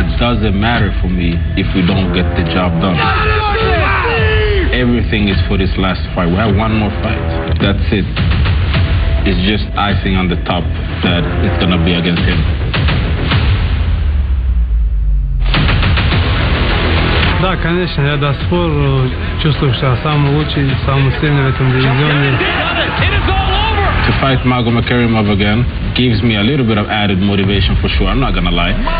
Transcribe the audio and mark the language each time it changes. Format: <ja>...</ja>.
<en>It doesn't matter for me if we don't get the job done. Everything is for this last fight. We have one more fight. That's it. It's just icing on the top that it's going to be against him.</en> <ru>Да, конечно, я до сих пор чувствую, что я самый лучший, самый сильный в этом дивизионе.</ru> <en>To fight Magomed Kerimov again gives me a little bit of added motivation for sure, I'm not gonna lie.</en>